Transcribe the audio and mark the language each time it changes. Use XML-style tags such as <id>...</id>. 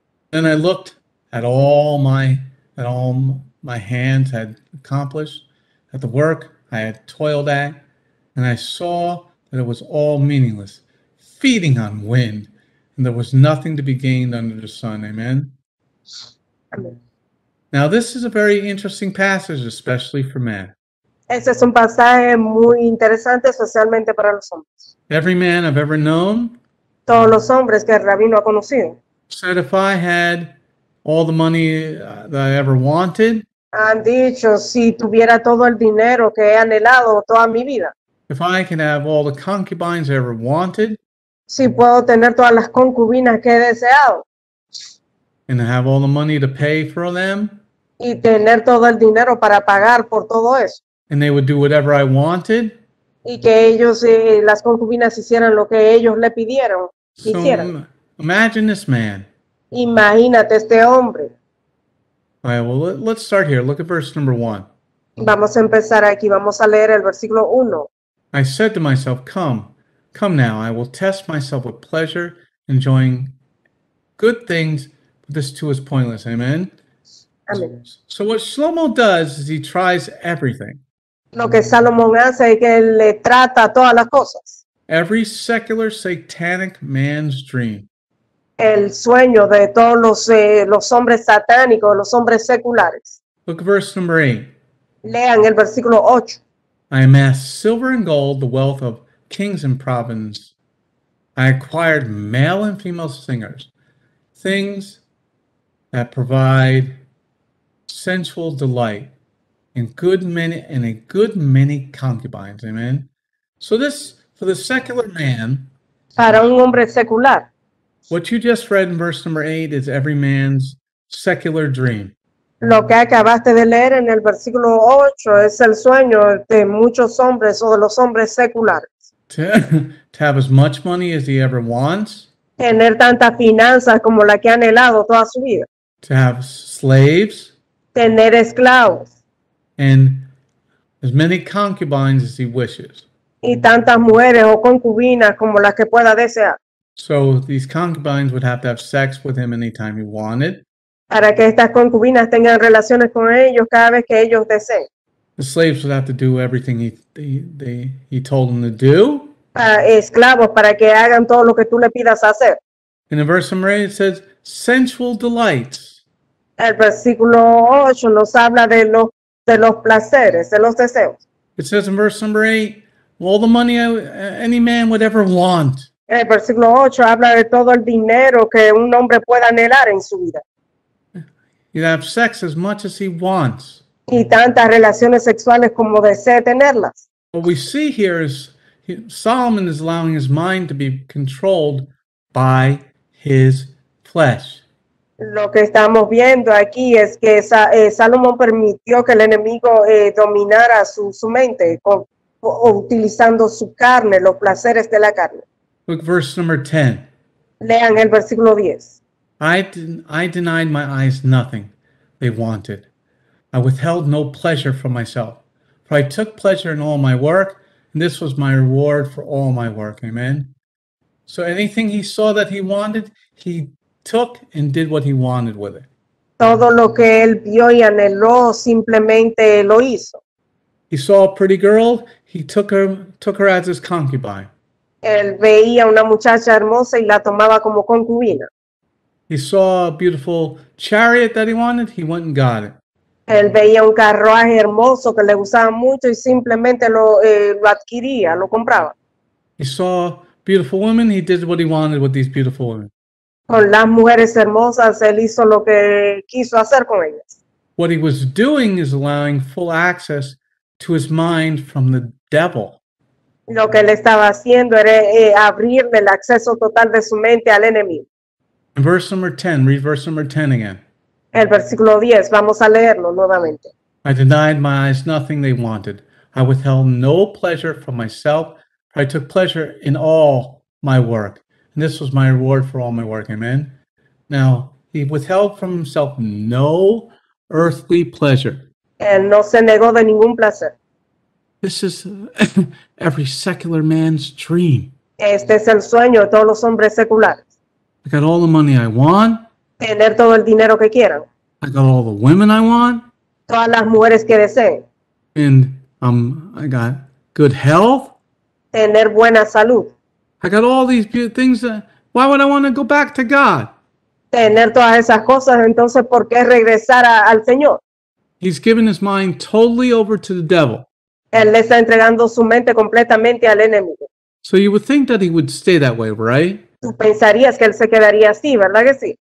<en>Then I looked at all my hands had accomplished, at the work I had toiled at, and I saw that it was all meaningless, feeding on wind, and there was nothing to be gained under the sun. Amen. Now, this is a very interesting passage, especially for men.</en> <es>Este es un pasaje muy interesante, especialmente para los hombres.</es> <en>Every man I've ever known,</en> <es>todos los hombres que el rabino ha conocido,</es> <en>said if I had all the money that I ever wanted,</en> <es>han dicho, si tuviera todo el dinero que he anhelado toda mi vida,</es> <en>if I can have all the concubines I ever wanted,</en> <es>si puedo tener todas las concubinas que he deseado,</es> <en>and have all the money to pay for them,</en> <es>y tener todo el dinero para pagar por todo eso,</es> <en>and they would do whatever I wanted,</en> <es>y que ellos, las concubinas hicieran lo que ellos le pidieron, hicieran.</es> <en>Imagine this man.</en> <es>Imagínate este hombre.</es> <en>All right, well, let's start here. Look at verse number 1.</en> <es>Vamos a empezar aquí. Vamos a leer el versículo 1.</es> <en>I said to myself, come now. I will test myself with pleasure, enjoying good things, but this too is pointless. Amen? Amen. So what Shlomo does is he tries everything.</en> <es>Lo que Salomón hace es que él le trata todas las cosas.</es> <en>Every secular satanic man's dream.</en> <es>El sueño de todos los hombres satánicos, los hombres seculares.</es> <en>Look at verse number 8.</en> <es>Lean el versículo 8.</es> <en>I amassed silver and gold, the wealth of kings and province. I acquired male and female singers, things that provide sensual delight, and a good many concubines. Amen. So this, for the secular man,</en> <es>para un hombre secular,</es> <en>what you just read in verse number 8 is every man's secular dream.</en> <es>Lo que acabaste de leer en el versículo 8 es el sueño de muchos hombres o de los hombres seculares.</es> <en>To have as much money as he ever wants.</en> <es>Tener tanta finanzas como la que ha anhelado toda su vida.</es> <en>To have slaves.</en> <es>Tener esclavos.</es> <en>And as many concubines as he wishes.</en> <es>Y tantas mujeres o concubinas como las que pueda desear.</es> <en>So these concubines would have to have sex with him anytime he wanted.</en> <es>Para que estas concubinas tengan relaciones con ellos cada vez que ellos deseen.</es> <en>The slaves would have to do everything he told them to do.</en> <es>esclavos para que hagan todo lo que tú le pidas hacer.</es> <en>In the verse number 8 it says sensual delights.</en> <es>El versículo 8 nos habla de los placeres, de los deseos.</es> <en>It says in verse number 8, all the money any man would ever want.</en> <es>El versículo 8 habla de todo el dinero que un hombre pueda anhelar en su vida.</es> <en>You have sex as much as he wants.</en> <es>Y tantas relaciones sexuales como desee tenerlas.</es> <en>What we see here is Solomon is allowing his mind to be controlled by his flesh.</en> <es>Lo que estamos viendo aquí es que Salomón permitió que el enemigo dominara su mente utilizando su carne, los placeres de la carne.</es> <en>Look verse number 10.</en> <es>Lean el versículo 10.</es> <en>I denied my eyes nothing they wanted. I withheld no pleasure from myself. For I took pleasure in all my work, and this was my reward for all my work. Amen. So anything he saw that he wanted, he took and did what he wanted with it.</en> <es>Todo lo que él vio y anheló, simplemente lo hizo.</es> <en>He saw a pretty girl, he took her as his concubine.</en> <es>Él veía una muchacha hermosa y la tomaba como concubina.</es> <en>He saw a beautiful chariot that he wanted, he went and got it.</en> <es>Él veía un carruaje hermoso que le gustaba mucho y simplemente lo adquiría, lo compraba.</es> <en>He saw beautiful women, he did what he wanted with these beautiful women.</en> <es>Con las mujeres hermosas, él hizo lo que quiso hacer con ellas.</es> <en>What he was doing is allowing full access to his mind from the devil.</en> <es>Lo que él estaba haciendo era abrirle el acceso total de su mente al enemigo.</es> <en>Verse number 10, read verse number 10 again.</en> <es>El versículo 10, vamos a leerlo nuevamente.</es> <en>I denied my eyes nothing they wanted. I withheld no pleasure from myself. I took pleasure in all my work. And this was my reward for all my work. Amen. Now, he withheld from himself no earthly pleasure.</en> <es>Él no se negó de ningún placer.</es> <en>This is every secular man's dream.</en> <es>Este es el sueño de todos los hombres seculares.</es> <en>I got all the money I want.</en> <es>Tener todo el dinero que quieran.</es> <en>I got all the women I want.</en> <es>Todas las mujeres que deseen.</es> <en>And I got good health.</en> <es>Tener buena salud.</es> <en>I got all these things. Why would I want to go back to God?</en> <es>Tener todas esas cosas, entonces, ¿por qué regresar al Señor?</es> <en>He's given his mind totally over to the devil.</en> <es>Él le está entregando su mente completamente al enemigo.</es> <en>So you would think that he would stay that way, right?</en> <es>Tú pensarías que él se quedaría así, ¿verdad que sí?</es>